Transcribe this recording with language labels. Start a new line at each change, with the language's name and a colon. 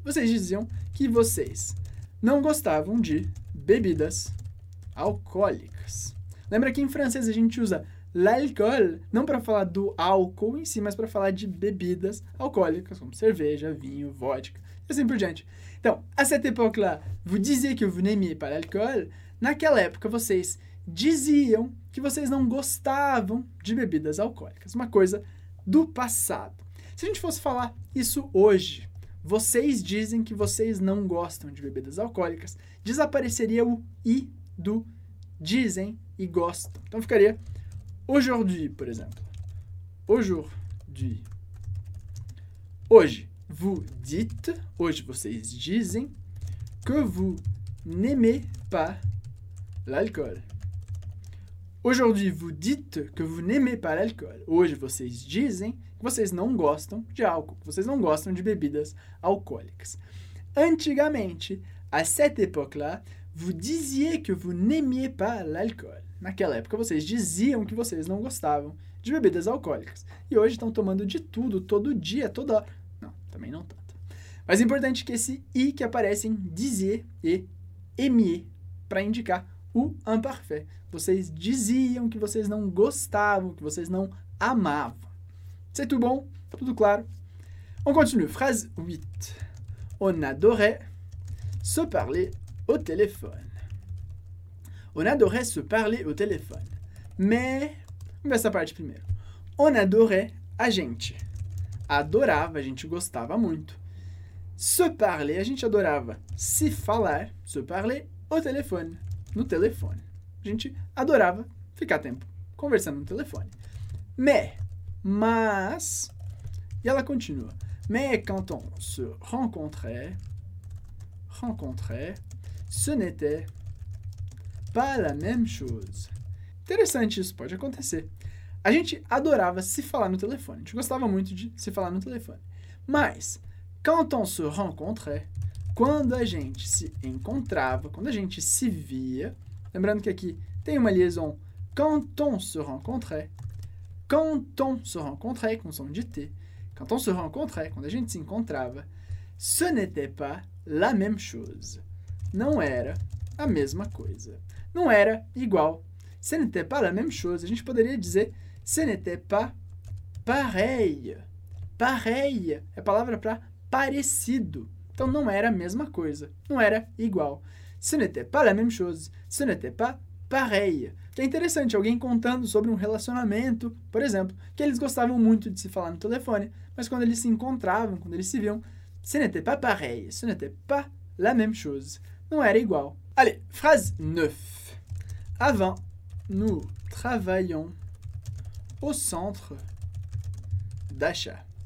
Portuguese: Vocês diziam que vocês não gostavam de bebidas alcoólicas. Lembra que em francês a gente usa l'alcool, não para falar do álcool em si, mas para falar de bebidas alcoólicas, como cerveja, vinho, vodka, e assim por diante.
French: Então, à cette époque-là, vous disiez que vous n'aimiez pas l'alcool.
Portuguese: Naquela época, vocês diziam que vocês não gostavam de bebidas alcoólicas. Uma coisa do passado. Se a gente fosse falar isso hoje, vocês dizem que vocês não gostam de bebidas alcoólicas, desapareceria o i do dizem e gostam. Então, ficaria aujourd'hui, por exemplo. Aujourd'hui. Hoje,
French: vous dites,
Portuguese: hoje vocês dizem,
French: que vous n'aimez pas l'alcool. Aujourd'hui, vous dites que vous n'aimez pas l'alcool.
Portuguese: Hoje vocês dizem que vocês não gostam de álcool, que vocês não gostam de bebidas alcoólicas. Antigamente,
French: à cette époque-là, Vous disiez que vous n'aimiez pas l'alcool.
Portuguese: Naquela época, vocês diziam que vocês não gostavam de bebidas alcoólicas. E hoje estão tomando de tudo, todo dia, toda hora. Não, também não tanto. Mas é importante que esse i que aparece em dizer e aimer para indicar o imparfait. Vocês diziam que vocês não gostavam, que vocês não amavam.
French: C'est tout bon?
Portuguese: Tudo claro?
French: On continue. Phrase 8. On adorait se parler au téléphone. On adorait se parler au téléphone.
Portuguese: Mais, on va essa parte primeiro.
French: On adorait,
Portuguese: a gente adorava, a gente gostava muito.
French: Se parler,
Portuguese: a gente adorava se falar,
French: se parler au téléphone,
Portuguese: no telefone. A gente adorava ficar tempo conversando no telefone. Mas, e ela continua.
French: Mais quand on se rencontrait, ce n'était pas la même chose.
Portuguese: Interessante isso, pode acontecer. A gente adorava se falar no telefone, a gente gostava muito de se falar no telefone. Mas,
French: quand on se rencontrait,
Portuguese: quando a gente se encontrava, quando a gente se via, lembrando que aqui tem uma liaison, quand on se rencontrait, com som de T, quand on se rencontrait, quando a gente se encontrava,
French: ce n'était pas la même chose.
Portuguese: Não era a mesma coisa. Não era igual.
French: Ce n'était pas la même chose.
Portuguese: A gente poderia dizer
French: ce n'était pas pareil.
Portuguese: Pareil é a palavra para parecido. Então, não era a mesma coisa. Não era igual.
French: Ce n'était pas la même chose. Ce n'était pas pareil.
Portuguese: Que é interessante alguém contando sobre um relacionamento, por exemplo, que eles gostavam muito de se falar no telefone, mas quando eles se encontravam, quando eles se viam,
French: ce n'était pas pareil, ce n'était pas la même chose.
Portuguese: Não era igual.
French: Allez, phrase 9. Avant, nous travaillions au centre d'achat.